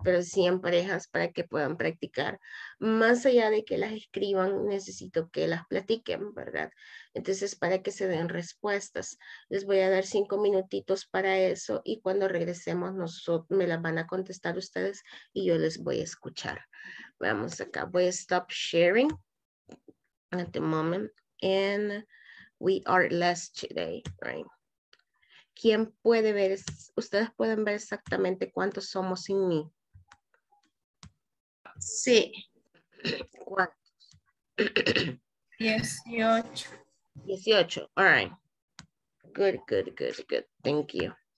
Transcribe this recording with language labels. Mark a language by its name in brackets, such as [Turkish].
[Spanish] Pero sí en parejas para que puedan practicar. Más allá de que las escriban, necesito que las platiquen, ¿verdad? Entonces, para que se den respuestas. Les voy a dar 5 minutitos para eso y cuando regresemos me las van a contestar ustedes y yo les voy a escuchar. Vamos acá, voy a [English] stop sharing at the moment and we are less today, right? [Spanish] ¿Quién puede ver? ¿Ustedes pueden ver exactamente cuántos somos en mí? Sí. ¿Cuántos? 18. [English] 18. All right. Good, good, good, good. Thank you.